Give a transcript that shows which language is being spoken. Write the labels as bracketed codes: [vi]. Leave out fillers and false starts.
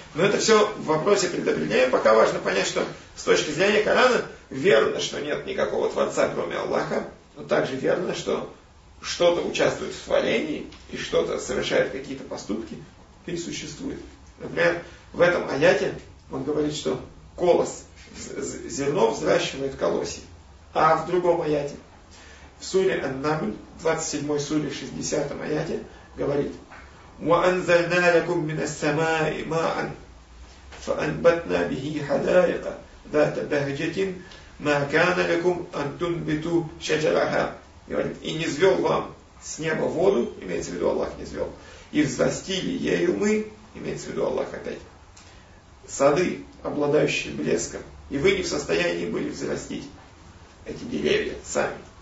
[ru] Но это все в вопросе предопределения. Пока важно понять, что с точки зрения Корана верно, что нет никакого Творца, кроме Аллаха, но также верно, что что-то участвует в творении и что-то совершает какие-то поступки и существует. Например, в этом аяте он говорит, что колос, зерно взращивает колосья. А в другом аяте, в суре Ан-Наml, 27 суре, 60 аяте, говорит: [ar] وَأَنْزَلْنَا لَكُمْ مِنَ السَّمَاءِ مَاءً فَأَنْبَتْنَا بِهِ حَدَائِقَ ذَاتَ بَهْجَةٍ مَا كَانَ لَكُمْ أَنْ تُنْبِتُوا شَجَرَهَا. [ru] Говорит, и низвел вам с неба воду, имеется в виду Аллах низвел, и взрастили ею мы, имеется в виду Аллах опять, сады, обладающие блеском, и вы не в состоянии были взрастить эти деревья сами.